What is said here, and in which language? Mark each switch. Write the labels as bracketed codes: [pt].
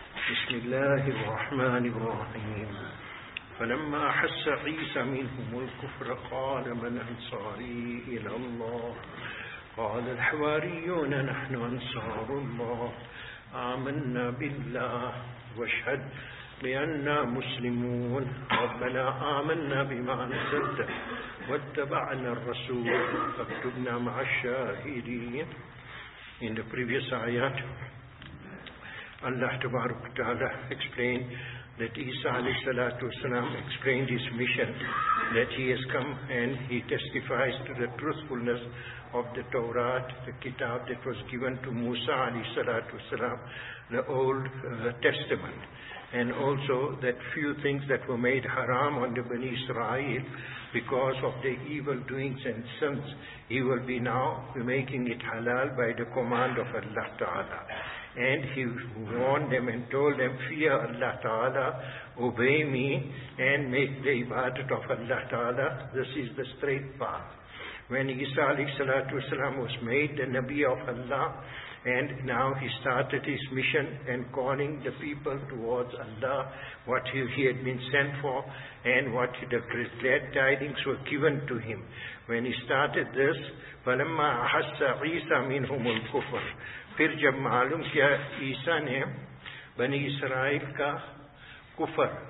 [ar] بسم الله الرحمن الرحيم. فلما حس عيسى منهم الكفر قال من أنصاري إلى الله؟ قال الحواريون نحن أنصار الله، آمنا بالله واشهد بأننا مسلمون. ربنا آمنا بما أنزلت واتبعنا الرسول فاكتبنا مع الشاهدين. [en] In the previous ayat, Allah Tabaruk Ta'ala explained that Isa alayhi salatu wasalam explained his mission, that he has come and he testifies to the truthfulness of the Torah, the kitab that was given to Musa alayhi salatu wasalam, the Old Testament, and also that few things that were made haram on the Bani Israel because of the evil doings and sins, he will be now making it halal by the command of Allah Ta'ala. And he warned them and told them, fear Allah Ta'ala, obey me, and make the ibadat of Allah Ta'ala. This is the straight path. When Isa alayhi salatu wasalam was made the Nabi of Allah, and now he started his mission and calling the people towards Allah, what he had been sent for and what the glad tidings were given to him. When he started this, [ar] فَلَمَّا أَحَسَّ عِيسَى مِنْهُمُ الْكُفْرِ [ur] پھر جب معلوم کیا عیسیٰ نے بنی اسرائیل کا کفر.